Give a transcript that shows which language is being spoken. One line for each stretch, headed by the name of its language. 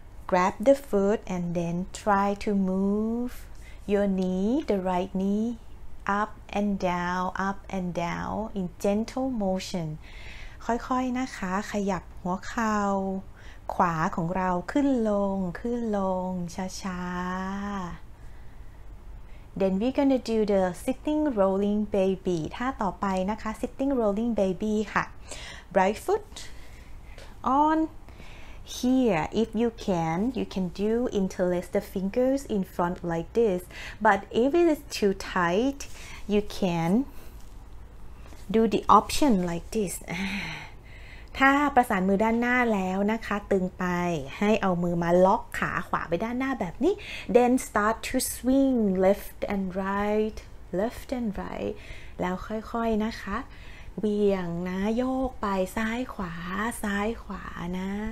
English: Grab the foot and then try to move your knee, the right knee, up and down, up and down in gentle motion.
Thai: ค่อยๆนะคะขยับหัวเข่าขวาของเราขึ้นลงขึ้นลงช้าๆ
English: Then we're gonna do the sitting rolling baby.
Thai: ท่าต่อไปนะคะ sitting rolling baby ค่ะ
English: Right foot on here. If you can, you can do interlace the fingers in front like this. But if it is too tight, you can do the option like this.
Thai: ถ้าประสานมือด้านหน้าแล้วนะคะตึงไปให้เอามือมาล็อกขาขวาไปด้านหน้าแบบนี้
English: Then start to swing left and right, left and right.
Thai: แล้วค่อยๆนะคะเบี่ยงนะโยกไปซ้ายขวาซ้ายขวานะ